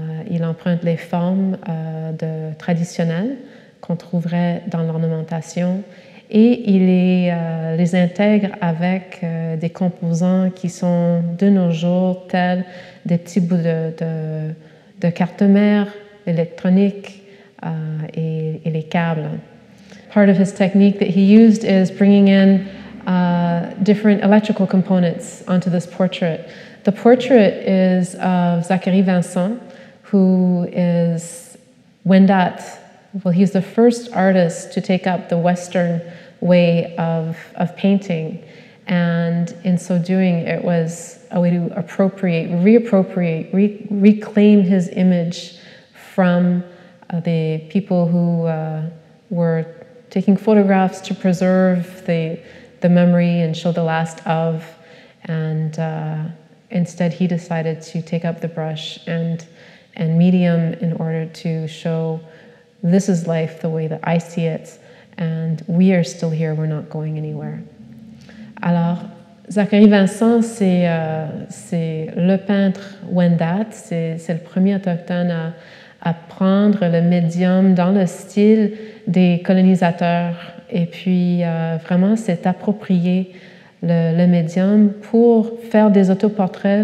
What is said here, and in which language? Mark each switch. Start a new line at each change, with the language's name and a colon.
French: Il emprunte les formes de traditionnelles qu'on trouverait dans l'ornementation, et il les intègre avec des composants qui sont de nos jours tels des petits bouts de cartes mères électroniques et les câbles.
English: Part of his technique that he used is bringing in different electrical components onto this portrait. The portrait is of Zachary Vincent, who is Wendat. Well, he's the first artist to take up the Western way of painting, and in so doing, it was a way to reclaim his image from the people who were taking photographs to preserve the memory and show the last of. And instead, he decided to take up the brush and medium in order to show, this is life the way that I see it, and we are still here, we're not going anywhere.
French: Alors, Zachary Vincent, c'est le peintre Wendat, c'est le premier autochtone à prendre le médium dans le style des colonisateurs, et puis vraiment s'est approprié le médium pour faire des autoportraits.